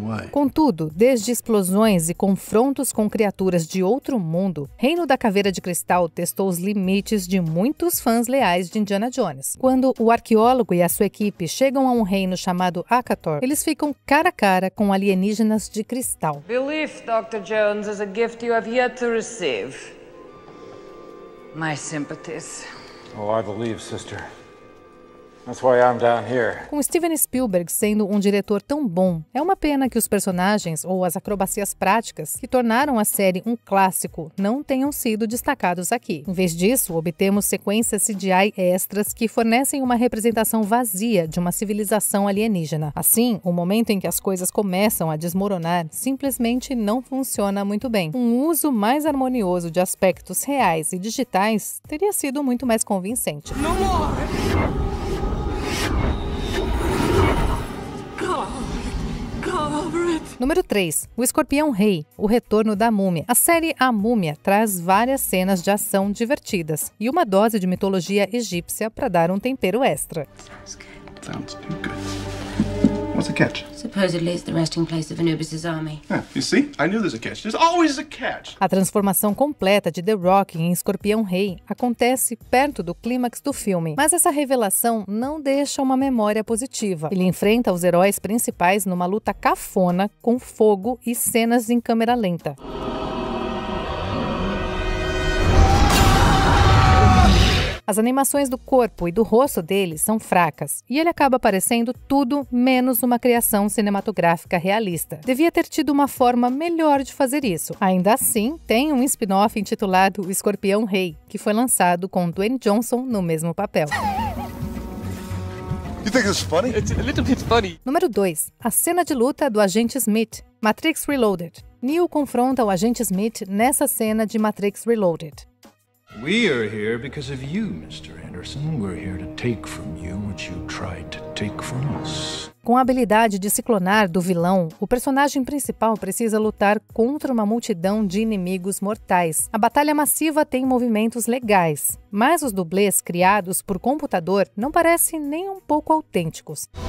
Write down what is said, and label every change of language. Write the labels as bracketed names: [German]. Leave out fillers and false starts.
[Portuguese] Contudo, desde explosões e confrontos com criaturas de outro mundo, Reino da Caveira de Cristal testou os limites de muitos fãs leais de Indiana Jones. Quando o arqueólogo e a sua equipe chegam a um reino chamado Akator, eles ficam cara a cara com alienígenas de cristal. [English] Belief, Dr. Jones, is a gift you have yet to receive. My sympathies. Oh, I believe, sister. That's why I'm down here. [Portuguese] Com Steven Spielberg sendo um diretor tão bom, é uma pena que os personagens ou as acrobacias práticas que tornaram a série um clássico não tenham sido destacados aqui. Em vez disso, obtemos sequências CGI extras que fornecem uma representação vazia de uma civilização alienígena. Assim, o momento em que as coisas começam a desmoronar simplesmente não funciona muito bem. Um uso mais harmonioso de aspectos reais e digitais teria sido muito mais convincente. Não morre! Número 3. O Escorpião Rei, o retorno da múmia. A série A Múmia traz várias cenas de ação divertidas e uma dose de mitologia egípcia para dar um tempero extra. [English] Sounds too good. What's the catch? Supposedly it's the resting place of Anubis's army. Yeah, you see? I knew there's a catch. There's always a catch. [Portuguese] A transformação completa de The Rock em Escorpião Rei acontece perto do clímax do filme. Mas essa revelação não deixa uma memória positiva. Ele enfrenta os heróis principais numa luta cafona com fogo e cenas em câmera lenta. As animações do corpo e do rosto dele são fracas, e ele acaba parecendo tudo menos uma criação cinematográfica realista. Devia ter tido uma forma melhor de fazer isso. Ainda assim, tem um spin-off intitulado Escorpião Rei, que foi lançado com Dwayne Johnson no mesmo papel. [English] You think this is funny? It's a little bit funny. [Portuguese] Número 2. A cena de luta do agente Smith, Matrix Reloaded. Neo confronta o agente Smith nessa cena de Matrix Reloaded. [English] We are here because of you, Mr. Anderson. We're here to take from you what you tried to take from us. [Portuguese] Com a habilidade de se clonar do vilão, o personagem principal precisa lutar contra uma multidão de inimigos mortais. A batalha massiva tem movimentos legais, mas os dublês criados por computador não parecem nem um pouco autênticos.